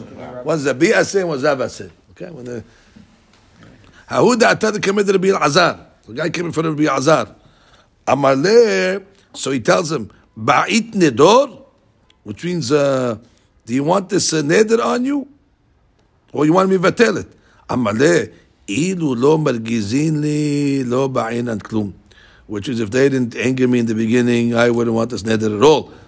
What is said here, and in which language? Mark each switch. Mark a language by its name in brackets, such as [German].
[English] One Rabbi Aseh and one Rav Aseh. Okay? [Aramaic] Ha'hud Atad Kamed [English] Rabbi Azar. The guy came in front of Rabbi Azar. Amar Le, so he tells him, [Aramaic] Ba'it Nedor, [English] which means, do you want this Neder on you? Or you want me to tell it? Amar Le, [Aramaic] אילו לא מרגיזין לי לא בעינן כלום. [English] Which is, if they didn't anger me in the beginning, I wouldn't want this neder at all.